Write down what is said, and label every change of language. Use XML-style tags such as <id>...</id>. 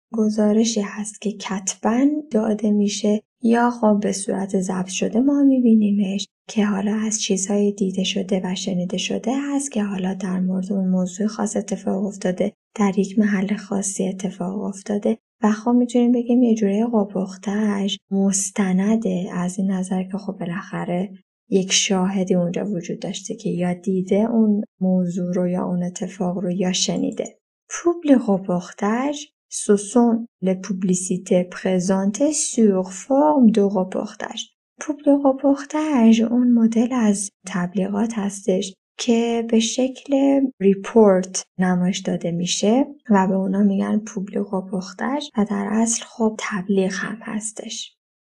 <fa>گزارشی هست که کتباً داده میشه یا خب به صورت ضبط شده ما میبینیمش که حالا از چیزهای دیده شده و شنیده شده هست که حالا در مورد اون موضوع خاص اتفاق افتاده، در یک محل خاصی اتفاق افتاده و خب میتونیم بگیم یه جوره قبختش مستنده، از این نظر که خب بالاخره یک شاهدی اونجا وجود داشته که یا دیده اون موضوع رو یا اون اتفاق رو یا شنیده.</fa> <fr>پوبل قبختش Ce sont les publicités présentées sur forme de reportage.</fr> <fa>پوبل رپورتاج اون مدل از تبلیغات هستش که به شکل ریپورت نمایش داده میشه و به اونا میگن پوبل رپورتاج و در اصل خب تبلیغ هم هستش.</fa>